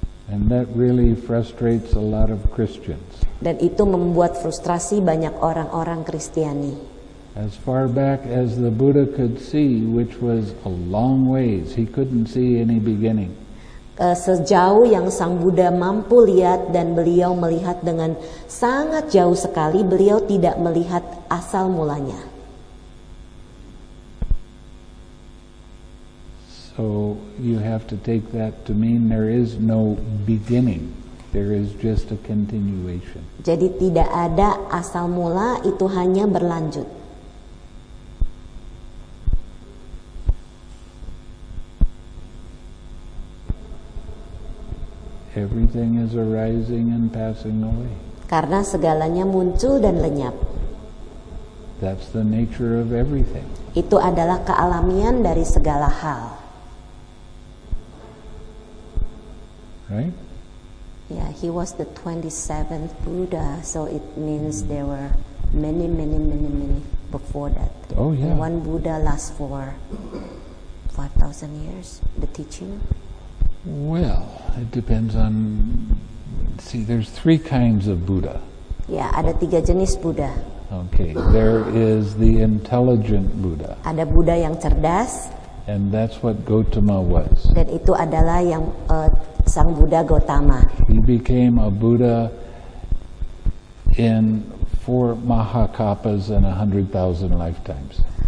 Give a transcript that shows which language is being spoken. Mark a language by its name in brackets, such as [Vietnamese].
[English] And that really frustrates a lot of Christians. [Indonesian] Dan itu membuat frustrasi banyak orang-orang Kristiani. [English] As far back as the Buddha could see, which was a long ways, he couldn't see any beginning. [Indonesian] Sejauh yang Sang Buddha mampu lihat, dan beliau melihat dengan sangat jauh sekali, beliau tidak melihat asal mulanya. [English] So you have to take that to mean there is no beginning. There is just a continuation. [Indonesian] Jadi tidak ada asal mula, itu hanya berlanjut. [English] Everything is arising and passing away. [Indonesian] Karena segalanya muncul dan lenyap. [English] That's the nature of everything. [Indonesian] Itu adalah kealamian dari segala hal. [English] Right? Yeah, he was the 27th Buddha, so it means there were many, many, many, many before that. Oh yeah. One Buddha lasts for 5,000 years, the teaching. Well, it depends on. See, there's three kinds of Buddha. [Indonesian] Yeah, ada tiga jenis Buddha. [English] Okay, there is the intelligent Buddha. [Indonesian] Ada Buddha yang cerdas. [English] And that's what Gautama was. [Indonesian] Dan itu adalah yang Sang Buddha Gautama. [English] He became a Buddha in 4 Mahakappas and 100,000 lifetimes.